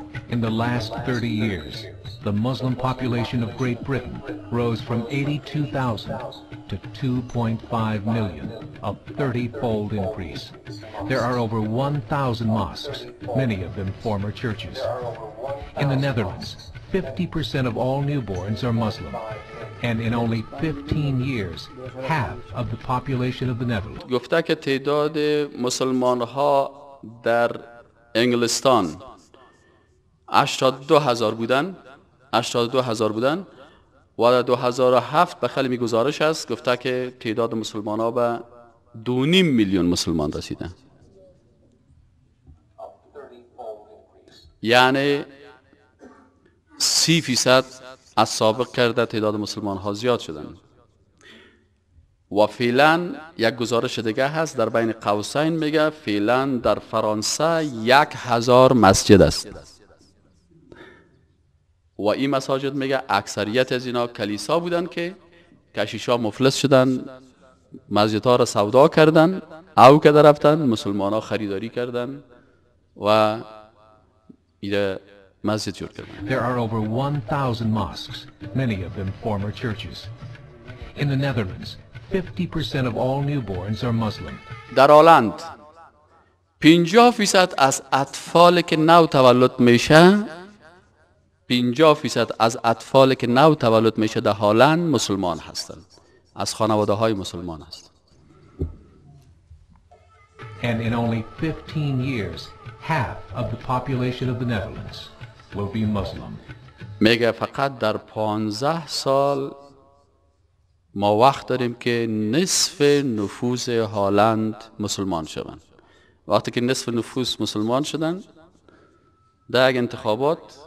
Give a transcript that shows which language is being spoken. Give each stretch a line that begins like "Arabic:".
English: In the last 30 years, the Muslim population of Great Britain rose from 82,000 to 2.5 million, a 30-fold increase. There are over 1,000 mosques, many of them former churches. In the Netherlands, 50% of all newborns are Muslim. And in only 15 years, half of the population of the Netherlands.
Persian: گفته که تعداد مسلمان ها در انگلستان 82,000 بودن، 82,000 بودن، و در 2007 به خیلی گزارش است گفته که تعداد مسلمان ها به 2.5 میلیون مسلمان رسیدن. یعنی 30% از سابق کرده تعداد مسلمان ها زیاد شدن. و فعلا یک گزارش دیگه هست در بین قوسین میگه فعلا در فرانسه 1,000 مسجد است و این مساجد میگه اکثریت از اینا کلیسا بودن که کشیشا مفلس شدن، مسجد ها را سودا کردن، او که در رفتن مسلمان ها خریداری کردن و ایده مسجد جور کردن.
English: There are over 1,000 mosques, many of them former churches. In the Netherlands, 50% of all newborns are Muslim.
Persian: در هلند 50% از اطفال که نو تولد میشه، 50% از اطفال که نو تولد میشه در هلند مسلمان هستند، از خانواده های مسلمان است.
English: And in only 15 years, half of the population of the Netherlands will be Muslim.
Persian: میگه فقط در 15 سال ما وقت داریم که نصف نفوس هلند مسلمان شوند. وقتی که نصف نفوس مسلمان شدن در یک انتخابات.